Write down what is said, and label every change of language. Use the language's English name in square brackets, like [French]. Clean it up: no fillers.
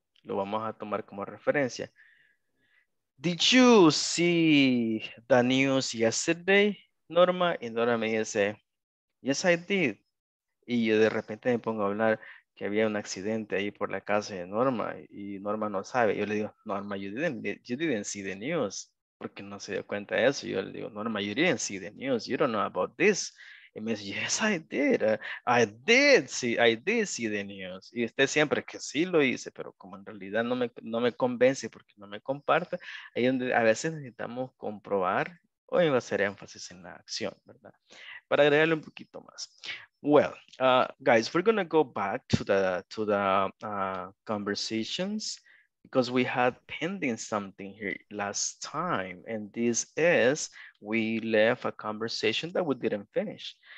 [Spanish] Lo vamos a tomar como referencia. [English] Did you see the news yesterday, [Spanish] Norma? Y Norma me dice, [English] yes, I did. [Spanish] Y yo de repente me pongo a hablar que había un accidente ahí por la casa de Norma. Y Norma no sabe. [English] Yo le digo, Norma, you didn't see the news. [Spanish] Porque no se dio cuenta de eso. Yo le digo, Norma, [English] you didn't see the news. You don't know about this. [Spanish] Y me dice, [English] yes, I did. I did see the news. [Spanish] Y usted siempre que sí lo hice, pero como en realidad no me convence porque no me comparte, ahí donde a veces necesitamos comprobar o hacer énfasis en la acción, ¿verdad? Para agregarle un poquito más. [English] Well, guys, we're going to go back to the conversations. Because we had pending something here last time, and this is, we left a conversation that we didn't finish.